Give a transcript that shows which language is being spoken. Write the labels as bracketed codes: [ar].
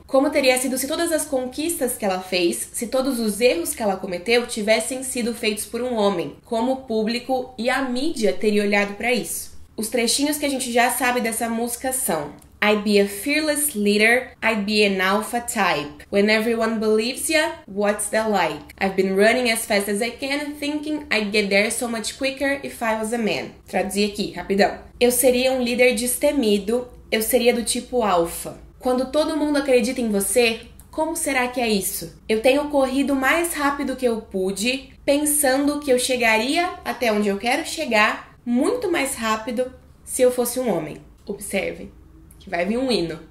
[pt] Como teria sido se todas as conquistas que ela fez, se todos os erros que ela cometeu tivessem sido feitos por um homem, como o público e a mídia teria olhado para isso. Os trechinhos que a gente já sabe dessa música são: [en] "I'd be a fearless leader, I'd be an alpha type. When everyone believes ya, what's that like? I've been running as fast as I can, thinking I'd get there so much quicker if I was a man." [pt] Traduzi aqui, rapidão. Eu seria um líder destemido, eu seria do tipo alfa. Quando todo mundo acredita em você, como será que é isso? Eu tenho corrido mais rápido que eu pude, pensando que eu chegaria até onde eu quero chegar muito mais rápido se eu fosse um homem. Observe. Que vai vir um hino.